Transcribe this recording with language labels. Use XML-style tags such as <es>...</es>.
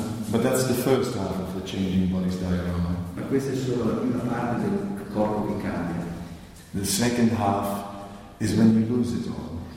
<en>But that's the first half of the changing body's diagramma.</en> <it>Ma questa è solo la prima parte del corpo che cambia.</it> <en>The second half is when you lose it all.</en>